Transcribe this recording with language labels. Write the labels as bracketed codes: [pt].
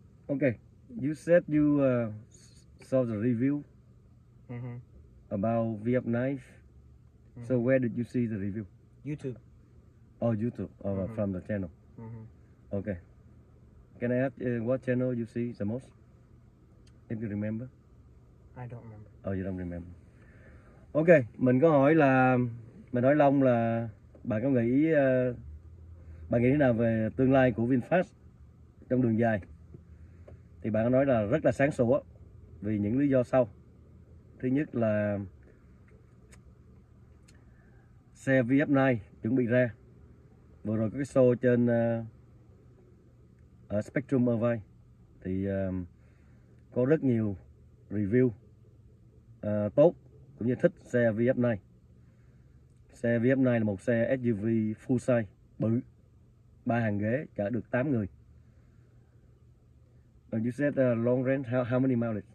[en] Okay, you said you saw the review about VF9. Mm-hmm. So where did you see the review? YouTube. Oh, YouTube, from the channel. Mm-hmm. Okay. Can I ask what channel you see the most? If you remember? I don't remember. Oh, you don't remember. [vi] Okay, mình có hỏi là, mình hỏi Long là bạn có nghĩ bạn nghĩ thế nào về tương lai của VinFast trong đường dài, thì bạn nói là rất là sáng sủa vì những lý do sau. Thứ nhất là xe VF9 chuẩn bị ra, vừa rồi có cái show trên ở Spectrum Irvine thì có rất nhiều review tốt cũng như thích xe VF này. Xe VF này là một xe SUV full size, bự, 3 hàng ghế, chở được 8 người. [en] And you said long range, how many miles?